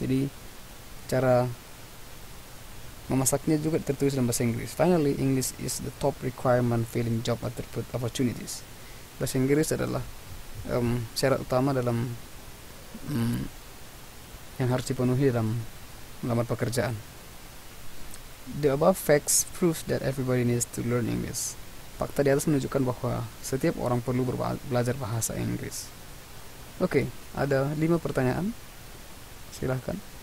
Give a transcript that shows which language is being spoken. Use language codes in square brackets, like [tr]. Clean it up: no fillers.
[id] Jadi cara memasaknya juga tertulis dalam bahasa Inggris. [en] Finally, English is the top requirement filling job opportunities. [id] Bahasa Inggris adalah syarat utama dalam yang harus dipenuhi dalam melamar pekerjaan. [en] The above facts prove that everybody needs to learn English. [id] Fakta di atas menunjukkan bahwa setiap orang perlu belajar bahasa Inggris. Oke, okay, ada 5 pertanyaan. Silahkan.